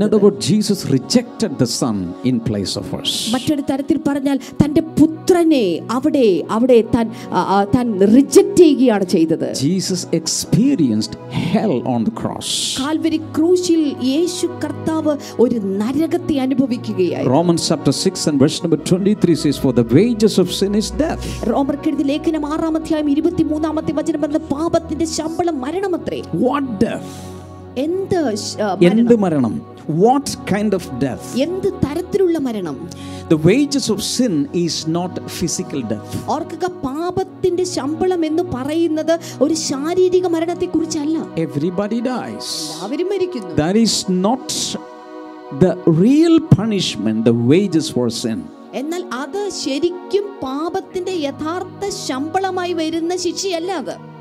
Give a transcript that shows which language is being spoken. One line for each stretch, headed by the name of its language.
English: In other words, Jesus rejected the Son in place of us.
Malayalam: മറ്റൊരു തരത്തിൽ പറഞ്ഞാൽ തന്റെ പുത്രനെ അവിടെ താൻ റിജക്റ്റ് ചെയ്യുകയാണ് ചെയ്തത്.
English: Jesus experienced hell on the cross.
Malayalam: Calvary ക്രൂശിൽ യേശു കർത്താവ് ഒരു നരകത്തെ അനുഭവിക്കുകയായി.
English: Romans chapter 6 and verse number 23 says, for the wages of sin is death.
Malayalam: റോമർ കെഴുതി ലേഖനം 6:23 വചനം പറഞ്ഞ പാപത്തിന്റെ ശമ്പളം മരണമത്രേ.
English: What death?
Malayalam: എന്ത് മരണം?
English: What kind of death?
Malayalam: എന്ത് തരത്തിലുള്ള മരണം?
English: The wages of sin is not physical death.
Malayalam: ഓർക്കുക, പാപത്തിന്റെ ശമ്പളം എന്ന് പറയുന്നത് ഒരു ശാരീരിക മരണത്തെ കുറിച്ചല്ല.
English: Everybody dies.
Malayalam: എല്ലാവരും മരിക്കുന്നു.
English: That is not the real punishment, the wages for sin.
Malayalam: എന്നാൽ അത് ശരിക്കും പാപത്തിന്റെ യഥാർത്ഥ ശമ്പളമായി വരുന്ന ശിക്ഷയല്ല അത്.